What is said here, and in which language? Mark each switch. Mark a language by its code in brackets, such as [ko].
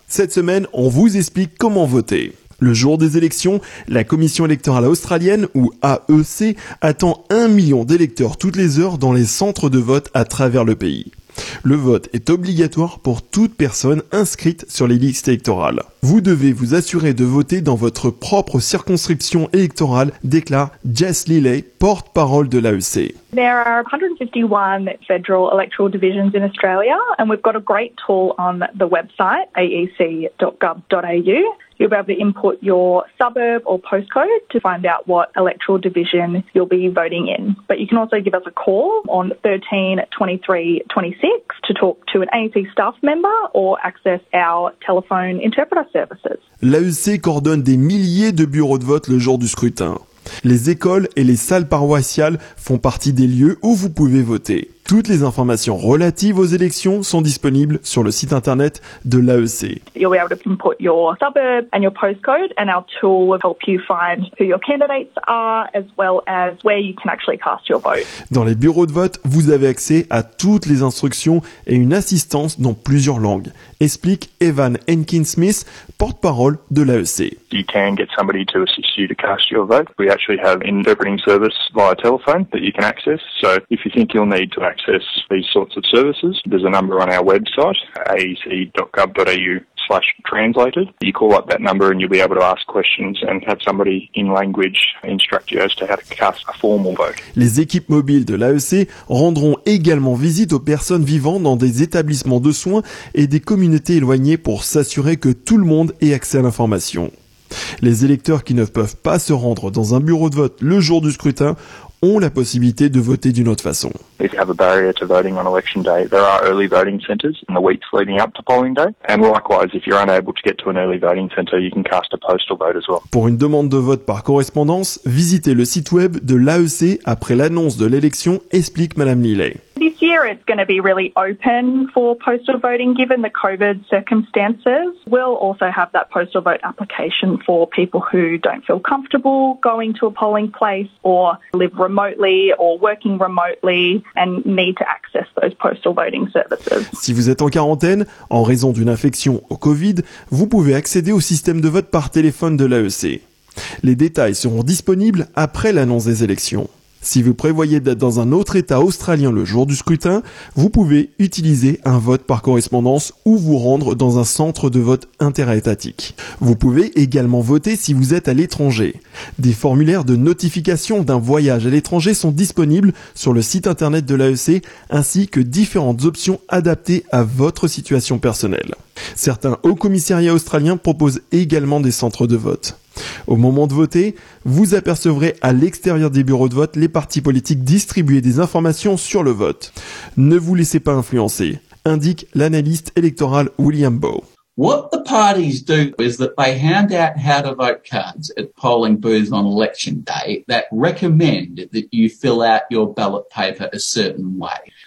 [fr] Cette semaine, on vous explique comment voter. Le jour des élections, la Commission électorale australienne, ou AEC, attend 1 million d'électeurs toutes les heures dans les centres de vote à travers le pays. Le vote est obligatoire pour toute personne inscrite sur les listes électorales. Vous devez vous assurer de voter dans votre propre circonscription électorale, déclare Jess Lilley, porte-parole de l'AEC. [en] There are 151 federal electoral divisions in Australia and we've got a great tool on the website aec.gov.au. You'll be able to input your suburb or postcode to find out what electoral division you'll be voting in. But you can also give us a call on 13 23 26 to talk to an AEC staff member or access our telephone interpreter services. [fr] L'AEC coordonne des milliers de bureaux de vote le jour du scrutin. Les écoles et les salles paroissiales font partie des lieux où vous pouvez voter. Toutes les informations relatives aux élections sont disponibles sur le site internet de l'AEC. [en] You'll be able to input your suburb and your postcode, and our tool will help you find who your candidates are, as well as where you can actually cast your vote. [fr] Dans les bureaux de vote, vous avez accès à toutes les instructions et une assistance dans plusieurs langues, explique Evan Henkin-Smith, porte-parole de l'AEC. [en] You can get somebody to assist you to cast your vote. We actually have interpreting service via telephone that you can access. So if you think you'll need to access these sorts of services, there's a number on our website, aec.gov.au/translated. You call up that number and you'll be able to ask questions and have somebody in language instruct you as to how to cast a formal vote. [fr] Les équipes mobiles de l'AEC rendront également visite aux personnes vivant dans des établissements de soins et des communautés éloignées pour s'assurer que tout le monde ait accès à l'information. Les électeurs qui ne peuvent pas se rendre dans un bureau de vote le jour du scrutin ont la possibilité de voter d'une autre façon. [en] If you have a barrier to voting on election day, there are early voting centres in the weeks leading up to polling day. And likewise, if you're unable to get to an early voting centre, you can cast a postal vote as well. [fr] Pour une demande de vote par correspondance, visitez le site web de l'AEC après l'annonce de l'élection, explique Madame Lillet. [en] This year it's going to be really open for postal voting given the COVID circumstances. We'll also have that postal vote application for people who don't feel comfortable going to a polling place or live remotely or working remotely and need to access those postal voting services. [fr] Si vous êtes en quarantaine en raison d'une infection au COVID, vous pouvez accéder au système de vote par téléphone de l'AEC. Les détails seront disponibles après l'annonce des élections. Si vous prévoyez d'être dans un autre État australien le jour du scrutin, vous pouvez utiliser un vote par correspondance ou vous rendre dans un centre de vote interétatique. Vous pouvez également voter si vous êtes à l'étranger. Des formulaires de notification d'un voyage à l'étranger sont disponibles sur le site internet de l'AEC ainsi que différentes options adaptées à votre situation personnelle. Certains hauts commissariats australiens proposent également des centres de vote. Au moment de voter, vous apercevrez à l'extérieur des bureaux de vote les partis politiques distribuer des informations sur le vote. Ne vous laissez pas influencer, indique l'analyste électoral William Bowe. [en] What the parties do is that they hand out how to vote cards at polling booths on election day that recommend that you fill out your ballot paper a certain way.